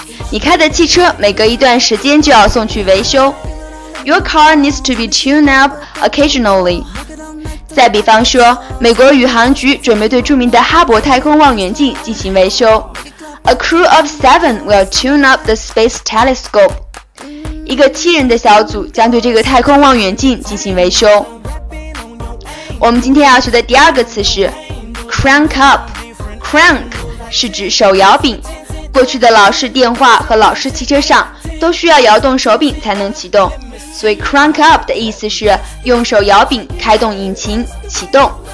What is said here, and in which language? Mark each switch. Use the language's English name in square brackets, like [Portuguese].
[Chinese] 你开的汽车每隔一段时间就要送去维修。 [English] Your car needs to be tuned up occasionally. [Chinese] 再比方说，美国宇航局准备对著名的哈勃太空望远镜进行维修。 [English] A crew of seven will tune up the space telescope. [Chinese] 一个七人的小组将对这个太空望远镜进行维修。我们今天要学的第二个词是 crank up. Crank 是指手摇柄。过去的老式电话和老式汽车上都需要摇动手柄才能启动，所以 crank up 的意思是用手摇柄开动引擎启动。